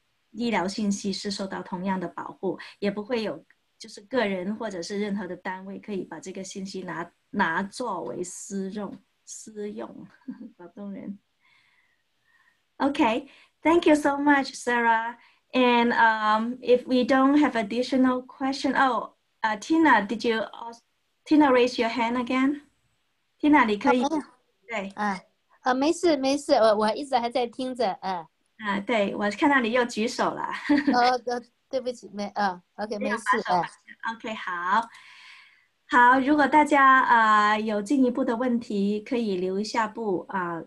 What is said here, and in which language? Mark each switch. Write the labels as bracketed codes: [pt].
[zh] 医疗信息是受到同样的保护，也不会有就是个人或者是任何的单位可以把这个信息拿作为私用，广东人。 [en] OK, thank you so much, Sarah. And if we don't have additional question, Tina, did you Tina raise your hand again? [zh] Tina, 你可以、对。没事没事，我一直还在听着，对，我看到你又举手了。对不起，没，OK， 没事， OK， 好。好，如果大家有进一步的问题，可以留一下步啊。